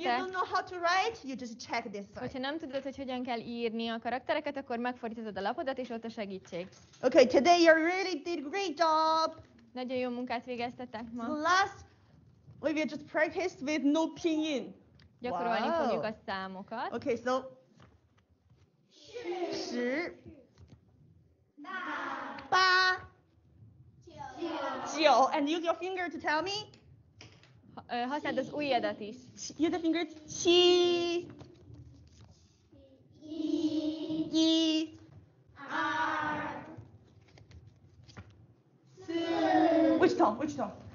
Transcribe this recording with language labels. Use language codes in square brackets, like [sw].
[en] If you don't know how to write, you just check this side. [hu] Hogyha nem tudod, hogy hogyan kell írni a karaktereket, akkor megfordítod a lapodat, és ott a segítség. [en] Okay, today you really did a great job. [hu] Nagyon jó munkát végeztetek ma. [en] So last, we will just practice with no pinyin. [hu] Gyakorolni fogjuk a számokat. [en] Okay, so. [zh] 十八九九 [en] and use your finger to tell me. [hu] használd az ujjadat is. [en] Use the finger. [zh] 七一二四 [en] Which tone?